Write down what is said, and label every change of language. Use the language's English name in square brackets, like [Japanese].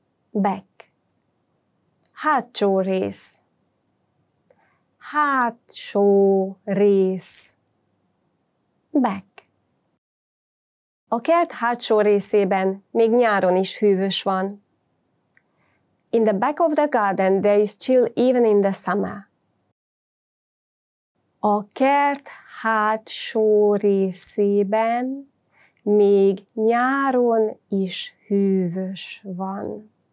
[English] Back. [Hungarian] Hátsó rész. Hátsó rész. [English] Back. [Hungarian] A kert hátsó részében még nyáron is hűvös van. [English] In the back of the garden there is chill even in the summer. [Hungarian] A kert hátsó részében még nyáron is hűvös van.